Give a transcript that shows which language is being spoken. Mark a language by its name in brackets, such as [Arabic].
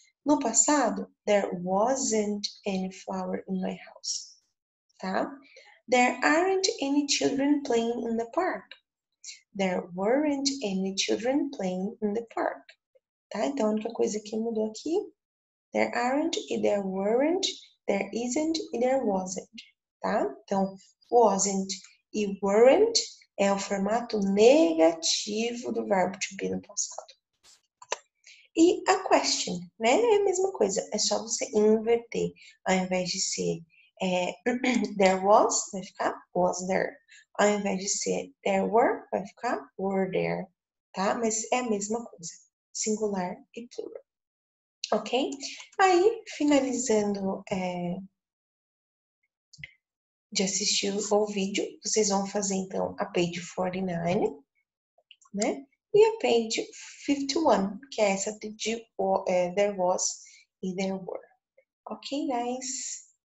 [Portuguese] No passado, [English] there wasn't any flower in my house, tá? There aren't any children playing in the park. There weren't any children playing in the park, tá? [Portuguese] Então, a única coisa que mudou aqui. There aren't e there weren't, there isn't e there wasn't, tá? Então, wasn't e weren't é o formato negativo do verbo to be no passado. E a question, né? É a mesma coisa, é só você inverter. Ao invés de ser there was, vai ficar was there. Ao invés de ser there were, vai ficar were there, tá? Mas é a mesma coisa, singular e plural. Ok? Aí, finalizando de assistir o vídeo, vocês vão fazer então a page 49, né? E a page 51, que é essa de there was e there were. [English] Ok, guys?